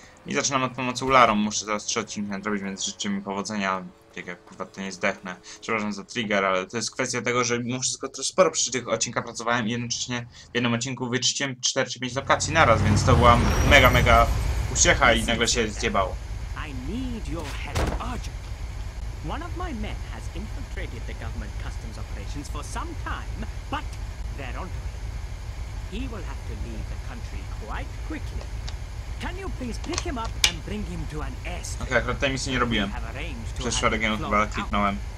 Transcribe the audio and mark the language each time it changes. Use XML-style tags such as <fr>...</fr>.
<pl>I zaczynam od pomocy Ularom, muszę teraz 3 odcinki nadrobić, więc życzę mi powodzenia, jak kurwa to nie zdechnę. Przepraszam za trigger, ale to jest kwestia tego, że mimo wszystko to sporo przy tych odcinkach pracowałem i jednocześnie w jednym odcinku wyczyściłem 4 czy 5 lokacji naraz, więc to była mega, mega uciecha i nagle się zjebało.</pl> <en>Your help urgent. One of my men has infiltrated the government customs operations for some time, but they're onto him. He will have to leave the country quite quickly. Can you please pick him up and bring him to an airstrip?</en> <pl>Okay, akurat tej misji nie robiłem. Przez szereg genów chyba kliknąłem.</pl>